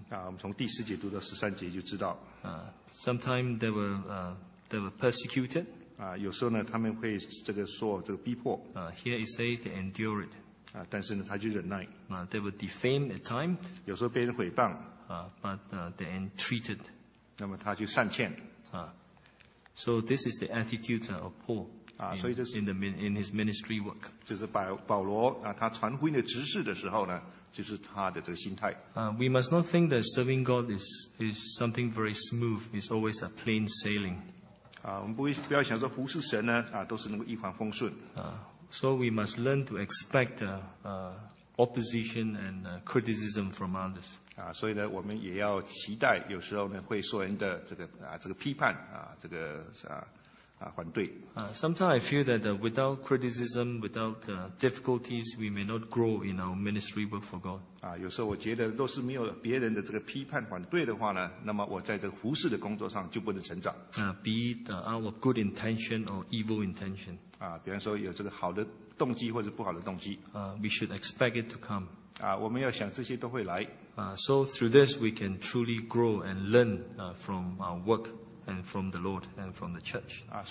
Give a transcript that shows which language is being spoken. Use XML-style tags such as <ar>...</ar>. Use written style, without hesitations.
<zh>我们从第十节读到十三节就知道。</zh> <en>Sometimes they were persecuted.</en> <zh>有时候呢，他们会这个说这个逼迫。</zh> <en>Here it says they endure it.</en> <zh>但是呢，他就忍耐。</zh> <en>They were defamed at times.</en> <zh>有时候被人毁谤。</zh> <en>But they entreated.</en> <zh>那么他就善歉。</zh> <en>So this is the attitude of Paul. In his ministry work.</en> <zh>就是保罗他传福音的执事的时候呢，就是他的这个心态。</zh> <en>We must not think that serving God is something very smooth. It's always a plain sailing.</en> <zh>我们不要想说服侍神呢，都是能够一帆风顺。</zh> <en>So we must learn to expect opposition and criticism from others.</en> <zh>所以呢，我们也要期待有时候呢会受人的这个批判啊，这个反对。</zh> <en>Sometimes I feel that without criticism, without difficulties, we may not grow in our ministry work for God.</en> <zh>有时候我觉得若是没有别人的这个批判反对的话呢，那么我在这个服事的工作上就不能成长。</zh> <en>Be it out of good intention or evil intention.</en> <zh>比方说有这个好的动机或者不好的动机。</zh> <en>We should expect it to come.</en> <zh>我们要想这些都会来。</zh> <en>So through this, we can truly grow and learn from our work and from the Lord and from the church.</en>